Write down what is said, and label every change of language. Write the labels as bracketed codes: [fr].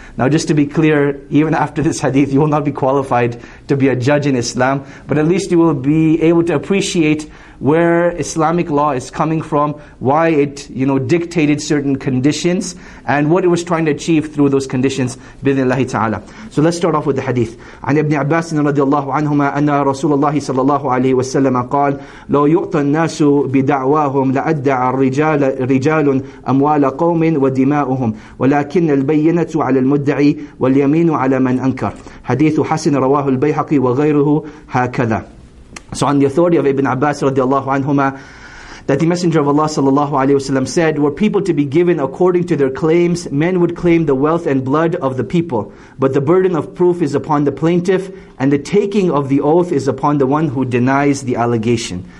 [en] Now just to be clear, even after this hadith, you will not be qualified to be a judge in Islam, but at least you will be able to appreciate where Islamic law is coming from, why it, you know, dictated certain conditions, and what it was trying to achieve through those conditions, bi-idhnillahi ta'ala. So let's start off with the hadith. [ar] عن ابن عباس رضي الله عنهما أن رسول الله صلى الله عليه وسلم قال لو يؤتى الناس بدعواهم لأدعى الرجال أموال قوم ودماؤهم ولكن البينة على المدعي واليمين على من أنكر. حديث حسن رواه البيهقي وغيره هكذا. [en] So on the authority of Ibn Abbas radiallahu anhuma, that the Messenger of Allah sallallahu alayhi wasallam said, were people to be given according to their claims, men would claim the wealth and blood of the people. But the burden of proof is upon the plaintiff, and the taking of the oath is upon the one who denies the allegation.